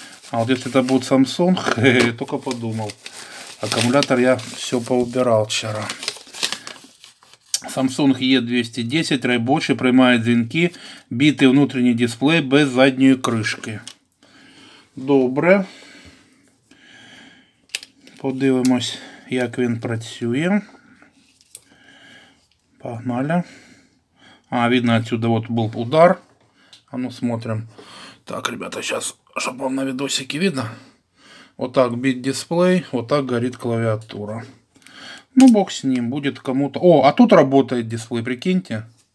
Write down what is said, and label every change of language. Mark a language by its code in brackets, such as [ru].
[ru] А вот если это будет Samsung, только подумал. Аккумулятор я все поубирал вчера. Samsung E210, рабочий, прямые звенки, битый внутренний дисплей без задней крышки. [uk] Добре. Подивимось, як він працює. Погнали. [ru] А, видно отсюда, вот был удар. А ну смотрим. Так, ребята, сейчас, чтобы вам на видосике видно. Вот так бит дисплей, вот так горит клавиатура. Ну, бог с ним, будет кому-то. О, а тут работает дисплей, прикиньте.